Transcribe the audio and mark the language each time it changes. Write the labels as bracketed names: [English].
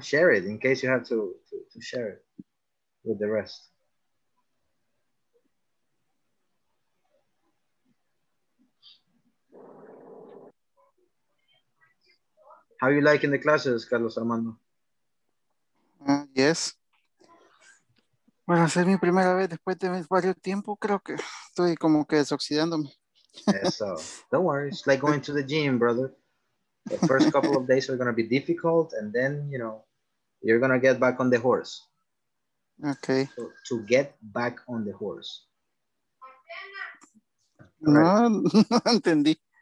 [English] Share it in case you have to share it with the rest. How are you liking the classes, Carlos Armando? Yes. [Spanish] Bueno, hacer mi primera vez después de varios tiempo, creo que estoy como que desoxidándome. Eso. [English] Don't worry, it's like going to the gym, brother. The first couple of days are going to be difficult, and then, you know, you're going to get back on the horse. Okay. So, to get back on the horse. [Spanish] No, no entendí.